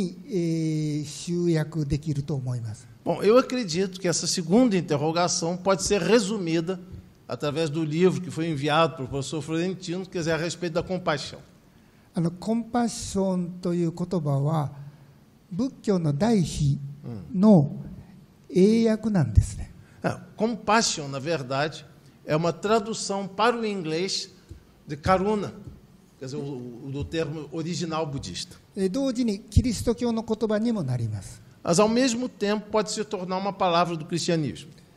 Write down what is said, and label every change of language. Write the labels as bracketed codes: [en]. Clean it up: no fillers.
[ja] フロレンティーノ先生が紹介してくれた本の中に、コンパッションという言葉に集約できると思います。 [pt] Bom, eu acredito que essa segunda interrogação pode ser resumida através do livro que foi enviado para o professor Florentino, quer dizer, a respeito da compaixão. [ja] コンパッションという言葉は仏教の大悲の英訳なんですね。 [pt] Compassion, na verdade, é uma tradução para o inglês de karuna, quer dizer, do termo original budista. Mas, ao mesmo tempo, pode se tornar uma palavra do cristianismo.